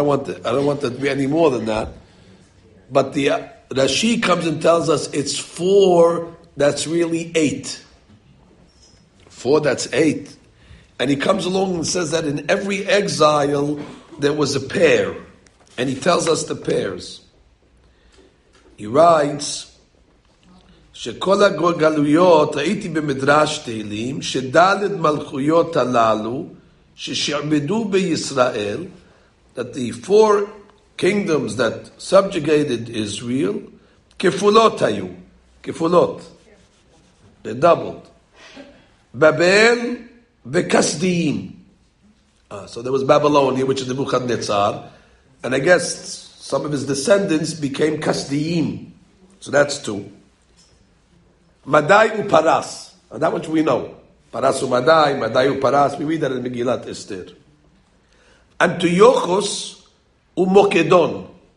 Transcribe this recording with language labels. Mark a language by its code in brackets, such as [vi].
[en] I don't want there to be any more than that. But the Rashi comes and tells us it's four, that's really eight. Four, that's eight. And he comes along and says that in every exile, there was a pair. And he tells us the pairs. He writes, [he] שכל הגלויות הייתי במדרש תהילים שדלת מלכויות הללו ששעבדו בישראל, [en] that the four kingdoms that subjugated Israel [he] כפולות היו, כפולות, [en] they doubled, [he] בבל וכסדיים. [en] So there was Babylonia, which is Nebuchadnezzar, and I guess some of his descendants became כסדיים. So that's two. Madai uparas. That much we know. Paras umadai, madai uparas. We read that in Megillat Esther. Antiochus umokedon.